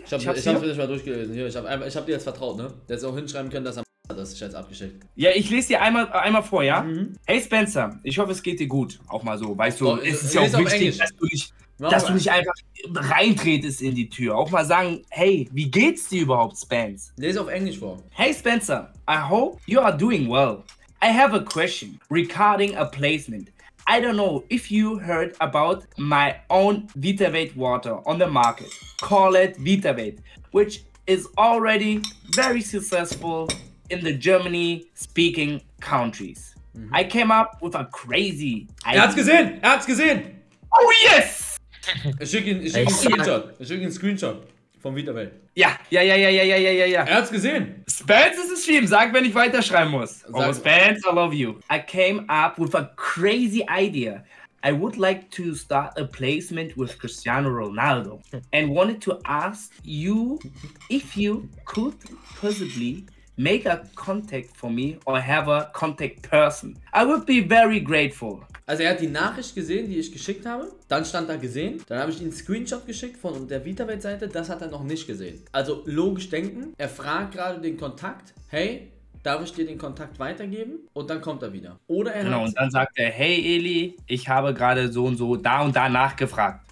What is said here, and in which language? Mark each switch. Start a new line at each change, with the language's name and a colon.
German: Ich hab's nicht mal durchgelesen. Hier, ich hab dir jetzt vertraut, ne? Der hätte auch hinschreiben können, dass er das ist jetzt abgeschickt. Ja, ich lese dir einmal vor, ja? Mhm. Hey Spencer, ich hoffe, es geht dir gut. Auch mal so, weißt du, es ist ja auch wichtig, dass du nicht einfach reintretest in die Tür. Auch mal sagen, hey, wie geht's dir überhaupt, Spence? Lese auf Englisch vor.
English: Hey Spencer, I hope you are doing well. I have a question regarding a placement. I don't know if you heard about my own Vitavate water on the market. Call it Vitavate, which is already very successful in the Germany-speaking countries. Mhm. I came up with a crazy idea.
German: Er hat's gesehen!
English: Oh yes!
German: Ich schicke einen Screenshot vom Vitavate. Ja. Er hat's gesehen. Spence ist geschrieben, sag, wenn ich weiterschreiben muss. Sag.
English: Oh, Spence, I love you. I came up with a crazy idea. I would like to start a placement with Cristiano Ronaldo and wanted to ask you if you could possibly make a contact for me or have a contact person. I would be very grateful.
German: Also er hat die Nachricht gesehen, die ich geschickt habe. Dann stand da gesehen. Dann habe ich ihm einen Screenshot geschickt von der Vitavate-Seite. Das hat er noch nicht gesehen. Also logisch denken. Er fragt gerade den Kontakt. Hey, darf ich dir den Kontakt weitergeben? Und dann kommt er wieder. Oder er Und dann sagt er, hey Eli, ich habe gerade so und so da und da nachgefragt.